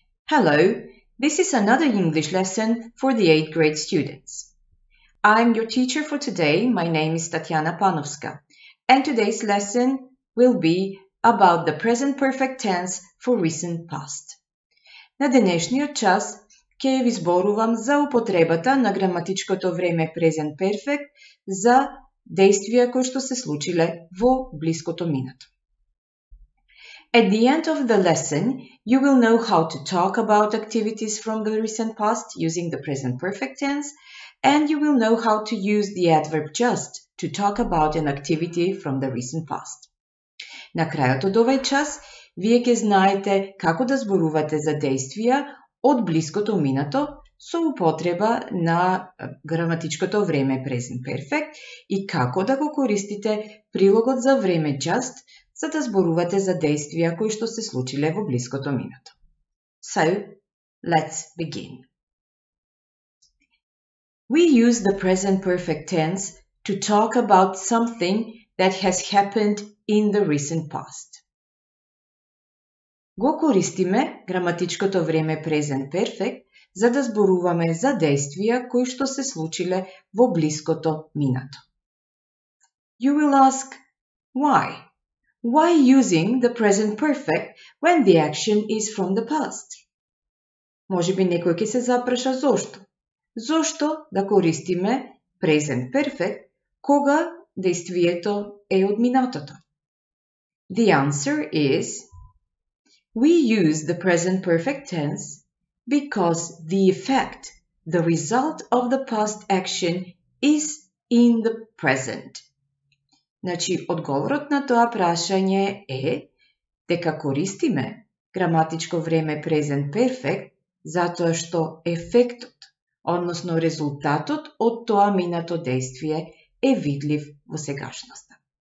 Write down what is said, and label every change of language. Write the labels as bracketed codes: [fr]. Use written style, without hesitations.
[en] Hello, this is another English lesson for the 8th grade students. I'm your teacher for today. My name is Tatiana Panowska. And today's lesson will be about the present perfect tense for recent past. [mk] На днешниот час ќе ви зборувам за употребата на граматичкото време present perfect за действија кои што се случиле во блиското минато. [en] At the end of the lesson, you will know how to talk about activities from the recent past using the present perfect tense, and you will know how to use the adverb just to talk about an activity from the recent past. [mk] На крајот од овој час, вие ќе знаете како да зборувате за действија од блиското минато со употреба на граматичкото време present perfect и како да го користите прилогот за време just за да зборувате за действија кои што се случиле во блиското минато. [en] So, let's begin. We use the present perfect tense to talk about something that has happened in the recent past. [mk] Го користиме граматичкото време present perfect за да зборуваме за действија кои што се случиле во блиското минато. [en] You will ask, why? Why using the present perfect when the action is from the past? [mk] Можеби некој ќе се запраша зошто? Зошто да користиме present perfect кога действието е од минатото? [en] The answer is we use the present perfect tense because the effect, the result of the past action is in the present. [mk] Значи, одговорот на тоа прашање е дека користиме граматичко време present perfect затоа што ефектот, односно резултатот од тоа минато действие е видлив во сегашноста.